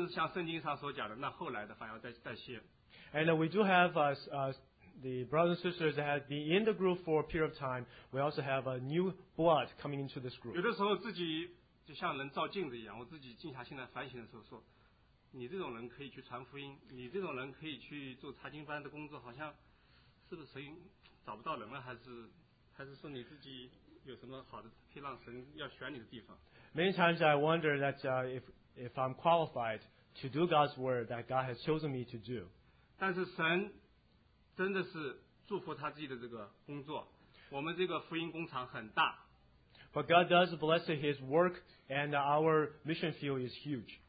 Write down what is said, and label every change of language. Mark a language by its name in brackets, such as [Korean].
[Chinese] 当我个人参与，我们中间我们小组自个老的有子涛弟兄，还有一些很多老面孔，也有很多心血。感谢主，在主里面我们真的是新的和老的都是一样，而且正是像圣经上所讲的，那后来的反而在先。 [English] And we do have us. The brothers and sisters that have been in the group for a period of time, we also have a new blood coming into this group. [Chinese] 有的时候自己就像人照镜子一样，我自己静下心来反省的时候说，你这种人可以去传福音，你这种人可以去做查经班的工作，好像是不是神找不到人了，还是说你自己有什么好的可以让神要选你的地方？ [English] Many times I wonder that if I'm qualified to do God's word that God has chosen me to do. [Chinese] 但是神 真的是祝福他自己的这个工作，我们这个福音工厂很大。 [English] But God does bless His work, and our mission field is huge.